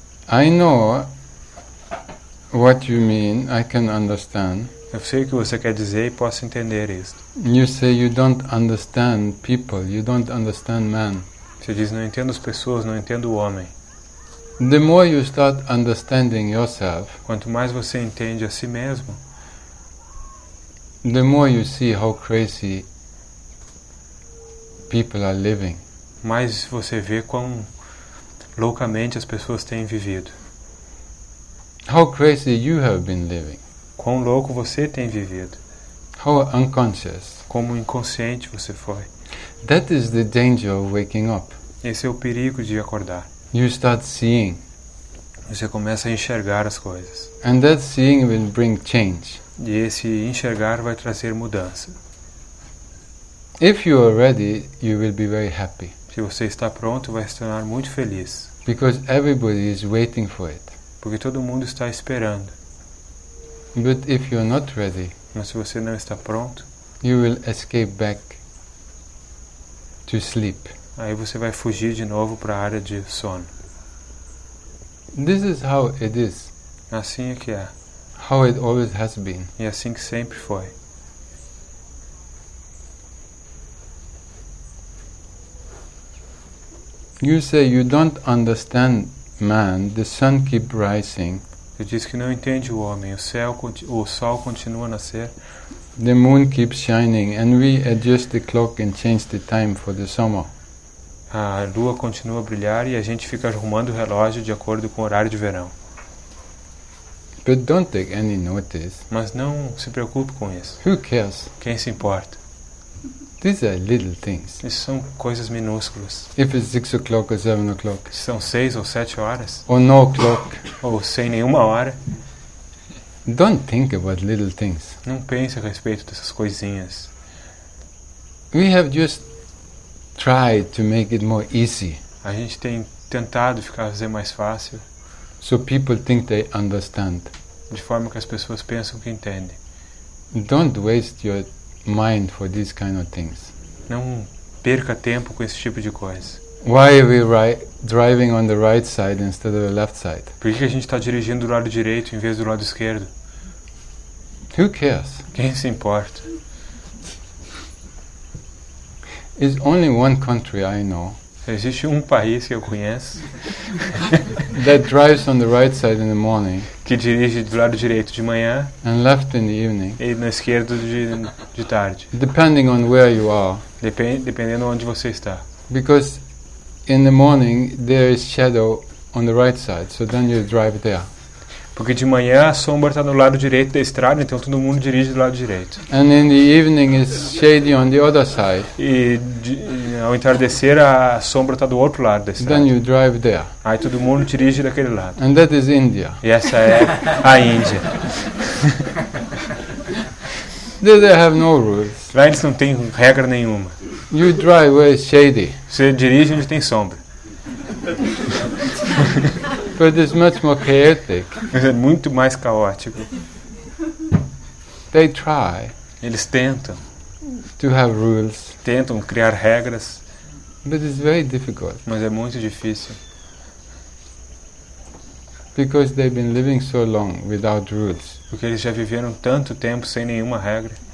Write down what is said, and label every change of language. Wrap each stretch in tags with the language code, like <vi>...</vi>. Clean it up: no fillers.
<en>I know what you mean, I can understand.</en> <pt>Eu sei o que você quer dizer e posso entender isso.</pt> <en>You say you don't understand people, you don't understand man.</en> <pt>Você diz, não entendo as pessoas, não entendo o homem.</pt> <en>The more you start understanding yourself,</en> <pt>quanto mais você entende a si mesmo,</pt> <en>the more you see how crazy people are living.</en> <pt>Mais você vê quão loucamente as pessoas têm vivido.</pt> <en>How crazy you have been living.</en> <pt>Quão louco você tem vivido.</pt> <en>How unconscious.</en> <pt>Como inconsciente você foi.</pt> <en>That is the danger of waking up.</en> <pt>Esse é o perigo de acordar.</pt> <en>You start seeing.</en> <pt>Você começa a enxergar as coisas.</pt> <en>And that seeing will bring change.</en> <pt>E esse enxergar vai trazer mudança.</pt> <en>If you are ready, you will be very happy.</en> <pt>Se você está pronto, vai se tornar muito feliz.</pt> <en>Because everybody is waiting for it.</en> <pt>Porque todo mundo está esperando.</pt> <en>But if you're not ready,</en> <pt>mas se você não está pronto,</pt> <en>you will escape back to sleep.</en> <pt>Aí você vai fugir de novo para a área de sono.</pt> <en>This is how it is.</en> <pt>Assim é que é.</pt> <en>How it always has been.</en> <pt>E assim que sempre foi.</pt> <en>You say you don't understand man, the sun keeps rising.</en> <pt>Você diz que não entende o homem, o sol continua a nascer.</pt> <en>The moon keeps shining and we adjust the clock and change the time for the summer.</en> <pt>A lua continua a brilhar e a gente fica arrumando o relógio de acordo com o horário de verão.</pt> <en>But don't take any notice.</en> <pt>Mas não se preocupe com isso.</pt> <en>Who cares?</en> <pt>Quem se importa?</pt> <en>These are little things.</en> <pt>Isso são coisas minúsculas.</pt> <en>If it's 6 o'clock or 7 o'clock.</en> <pt>São 6 ou 7 horas.</pt> <en>Or no o'clock.</en> <pt>Ou sem nenhuma hora.</pt> <en>Don't think about little things.</en> <pt>Não pense a respeito dessas coisinhas.</pt> <en>We have just tried to make it more easy.</en> <pt>A gente tem tentado fazer mais fácil.</pt> <en>So people think they understand.</en> <pt>De forma que as pessoas pensam que entendem.</pt> <en>Don't waste your mind for these kind of things.</en> <pt>Não perca tempo com esse tipo de coisa.</pt> <en>Why are we driving on the right side instead of the left side?</en> <pt>Por que a gente está dirigindo do lado direito em vez do lado esquerdo?</pt> <en>Who cares?</en> <pt>Quem se importa?</pt> <en>is only one country I know.</en> <pt>Existe um país que eu conheço.</pt> <en>That drives on the right side in the morning.</en> <pt>Que dirige do lado direito de manhã.</pt> <en>And left in the evening.</en> <pt>E na esquerda de tarde.</pt> <en>Depending on where you are.</en> <pt>Dependendo onde você está.</pt> <en>Because in the morning there is shadow on the right side, so then you drive there.</en> <pt>Porque de manhã a sombra está no lado direito da estrada, então todo mundo dirige do lado direito.</pt> <en>And in the evening it's shady on the other side.</en> <pt>E ao entardecer a sombra está do outro lado da estrada.</pt> <en>Then you drive there.</en> <pt>Aí todo mundo dirige daquele lado.</pt> <en>And that is India.</en> <pt>E essa é a Índia.</pt> <en>They have no rules.</en> <pt>Lá eles não têm regra nenhuma.</pt> <en>You drive where it's shady.</en> <pt>Você dirige onde tem sombra.</pt> <en>But it's much more chaotic.</en> <pt>Mas é muito mais caótico.</pt> <en>They try.</en> <pt>Eles tentam.</pt> <en>To have rules.</en> <pt>Tentam criar regras.</pt> <en>But it's very difficult.</en> <pt>Mas é muito difícil.</pt> <en>Because they've been living so long without rules.</en> <pt>Porque eles já viveram tanto tempo sem nenhuma regra.</pt>